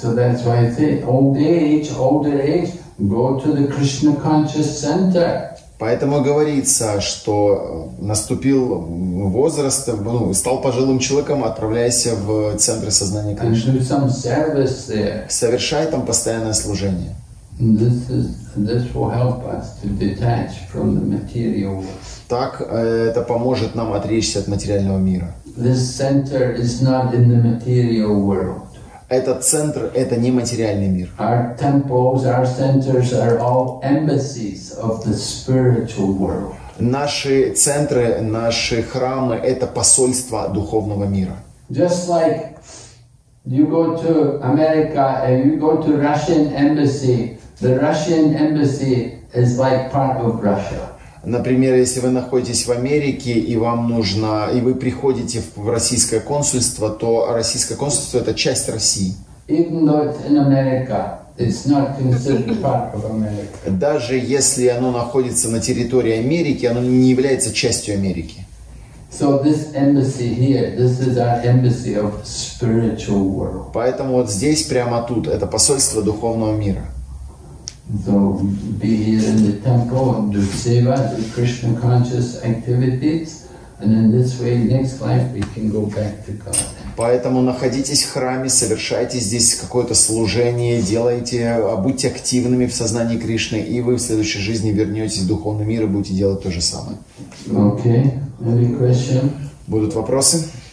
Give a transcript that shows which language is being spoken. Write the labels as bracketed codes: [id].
[en] So that's why I say older age. Go to the Krishna Conscious Center. [ru] Поэтому говорится, что наступил возраст, стал пожилым человеком, отправляйся в центр сознания Кришны. [en] And do some service there. [ru] Совершай там постоянное служение. [en] This will help us to detach from the material world. [ru] Так это поможет нам отречься от материального мира. [en] This center is not in the material world. [ru] Этот центр – это не материальный мир. [en] Our temples, our centers are all embassies of the spiritual world. [ru] Наши центры, наши храмы – это посольства духовного мира. [en] Just like you go to America and you go to Russian embassy, the Russian embassy is like part of Russia. [ru] Например, если вы находитесь в Америке и вам нужно, и вы приходите в российское консульство, то российское консульство – это часть России. [en] Even though it's in America, it's not considered part of America. [ru] Даже если оно находится на территории Америки, оно не является частью Америки. [en] So this embassy here, this is our embassy of spiritual world. [ru] Поэтому вот здесь, прямо тут, это посольство духовного мира. [en] So be here in the temple and do seva, do Krishna conscious activities, and in this way, next life we can go back to God. [ru] Поэтому находитесь в храме, совершайте здесь какое-то служение, делайте, будьте активными в сознании Кришны, и вы в следующей жизни вернетесь в духовный мир и будете делать то же самое. [en] Okay. Any question? [ru] Будут вопросы?